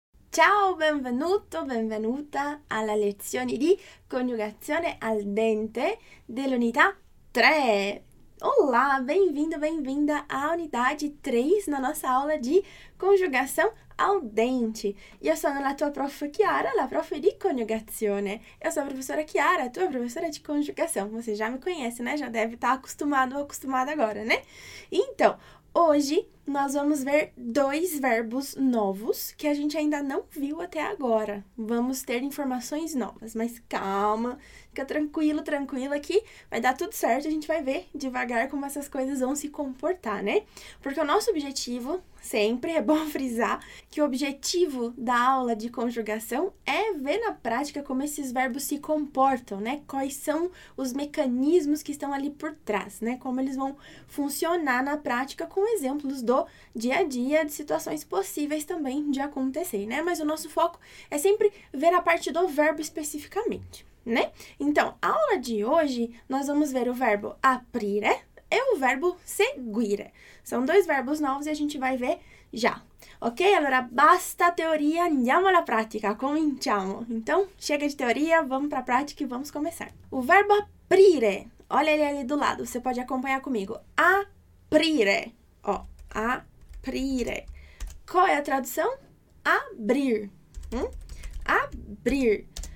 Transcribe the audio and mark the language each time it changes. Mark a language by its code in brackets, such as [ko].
[it] Ciao, benvenuto, benvenuta alla lezione di coniugazione al dente dell'unità 3. [pt] Olá, bem-vindo, bem-vinda à unidade 3 na nossa aula de coniugação al dente. [it] Io sono la tua prof Chiara, la prof di coniugazione. Io sono [pt] a professora Chiara, tua professora di coniugação. Você já me conhece, né? Já deve estar acostumado ou acostumada agora, né? Então, hoje nós vamos ver dois verbos novos que a gente ainda não viu até agora. Vamos ter informações novas, mas calma, fica tranquilo, tranquila aqui, vai dar tudo certo, a gente vai ver devagar como essas coisas vão se comportar, né? Porque o nosso objetivo, sempre é bom frisar, que o objetivo da aula de conjugação é ver na prática como esses verbos se comportam, né? Quais são os mecanismos que estão ali por trás, né? Como eles vão funcionar na prática com exemplos do dia a dia, de situações possíveis também de acontecer, né? Mas o nosso foco é sempre ver a parte do verbo especificamente, né? Então, a aula de hoje, nós vamos ver o verbo aprire e o verbo seguire. São dois verbos novos e a gente vai ver já. Ok? [it] Allora, basta teoria, andiamo alla pratica, cominciamo. [pt] Então, chega de teoria, vamos para a prática e vamos começar. O verbo aprire, olha ele ali do lado, você pode acompanhar comigo. Aprire, ó. Aprire. Qual é a tradução? Abrir. Abrir.